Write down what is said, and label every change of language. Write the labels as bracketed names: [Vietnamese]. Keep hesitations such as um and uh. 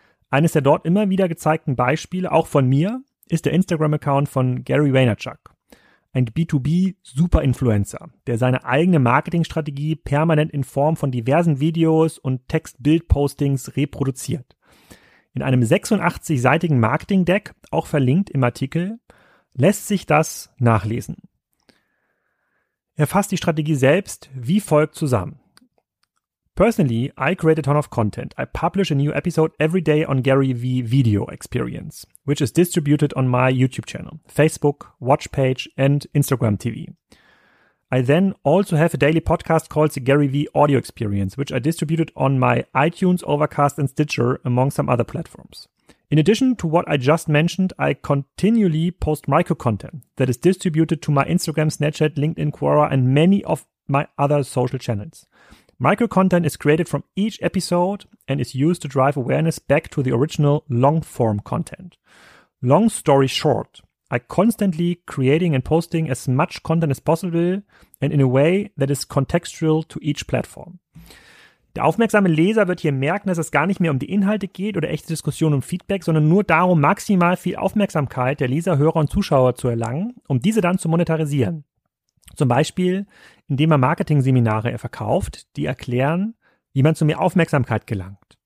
[German] Eines der dort immer wieder gezeigten Beispiele, auch von mir, ist der Instagram-Account von Gary Vaynerchuk, ein B2B-Super-Influencer, der seine eigene Marketingstrategie permanent in Form von diversen Videos und Text-Bild-Postings reproduziert. In einem 86-seitigen Marketing-Deck, auch verlinkt im Artikel, lässt sich das nachlesen. Er fasst die Strategie selbst wie folgt zusammen. [English] Personally, I create a ton of content. I publish a new episode every day on Gary V Video Experience, which is distributed on my YouTube channel, Facebook, Watch page, and Instagram TV. I then also have a daily podcast called the Gary V Audio Experience, which I distributed on my iTunes, Overcast, and Stitcher, among some other platforms. In addition to what I just mentioned, I continually post micro content that is distributed to my Instagram, Snapchat, LinkedIn, Quora, and many of my other social channels. Micro content is created from each episode and is used to drive awareness back to the original long form content. Long story short, I constantly creating and posting as much content as possible and in a way that is contextual to each platform. [German] Der aufmerksame Leser wird hier merken, dass es gar nicht mehr um die Inhalte geht oder echte Diskussionen um Feedback, sondern nur darum, maximal viel Aufmerksamkeit der Leser, Hörer und Zuschauer zu erlangen, um diese dann zu monetarisieren. Zum Beispiel, indem man Marketing-Seminare verkauft, die erklären, wie man zu mehr Aufmerksamkeit gelangt.